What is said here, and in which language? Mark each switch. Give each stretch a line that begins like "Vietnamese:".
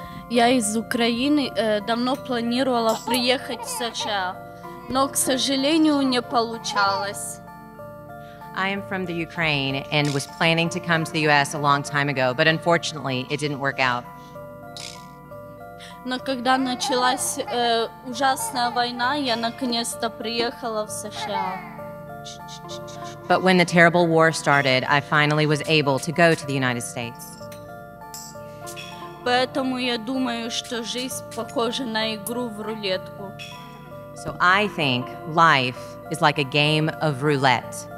Russian: Я из України, давно планировала приехать в США. Но, к сожалению, не получалось.
English: I am from the Ukraine and was planning to come to the U.S. a long time ago, but unfortunately, it didn't work out.
Russian: Но когда началась ужасная война, я наконец-то приехала в США.
English: But when the terrible war started, I finally was able to go to the United States.
Russian: Поэтому я думаю, что жизнь похожа на игру в рулетку.
English: So I think life is like a game of roulette.